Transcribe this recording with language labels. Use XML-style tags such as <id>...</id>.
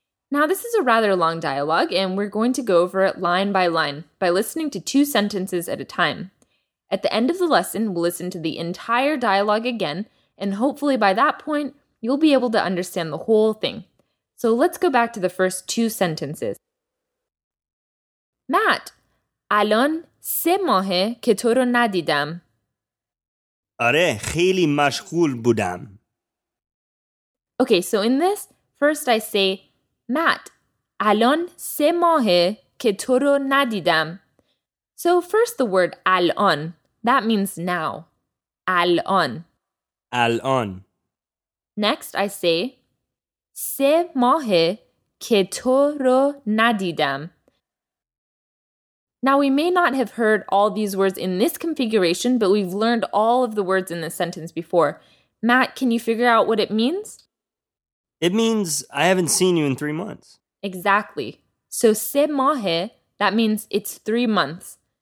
<en>Now, this is a rather long dialogue, and we're going to go over it line by line by listening to two sentences at a time. At the end of the lesson, we'll listen to the entire dialogue again, and hopefully by that point, you'll be able to understand the whole thing. So let's go back to the first two sentences.</en> <fa>Matt, الان سه ماهه که تو رو ندیدم. آره، خیلی مشغول بودم.</fa> <en>Okay, so in this, first I say, Matt,</en> <fa>الان سه ماهه که تو رو ندیدم.</fa> <en>So first the word الان, that means now.</en> <fa>الان. الان.</fa> <en>Next I say,</en> <fa>سه ماهه که تو رو ندیدم.</fa> <en>Now, we may not have heard all these words in this configuration, but we've learned all of the words in this sentence before. Matt, can you figure out what it means? It means, I haven't seen you in 3 months. Exactly. So, se mahe, that means it's 3 months.</en>